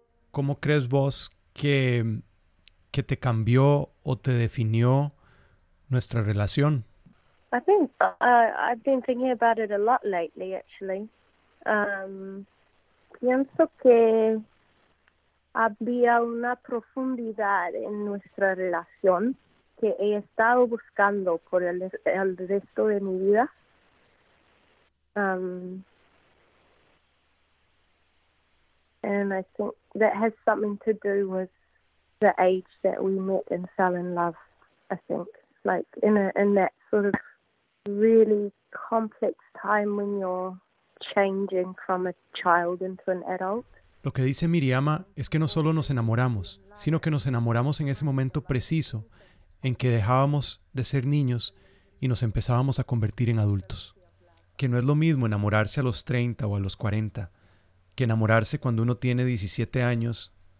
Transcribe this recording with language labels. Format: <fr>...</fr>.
<es>¿Cómo crees vos que te cambió o te definió nuestra relación?</es> <en>I've been thinking about it a lot lately, actually.</en> <es>Pienso que había una profundidad en nuestra relación que he estado buscando por el resto de mi vida.</es> <en>And I think that has something to do with the age that we met and fell in love, I think. like in that sort of really complex time when you're changing from a child into an adult.</en> <es>Lo que dice Miriama es que no solo nos enamoramos, sino que nos enamoramos en ese momento preciso en que dejábamos de ser niños y nos empezábamos a convertir en adultos. Que no es lo mismo enamorarse a los 30 o a los 40 que enamorarse cuando uno tiene 17 años.</es>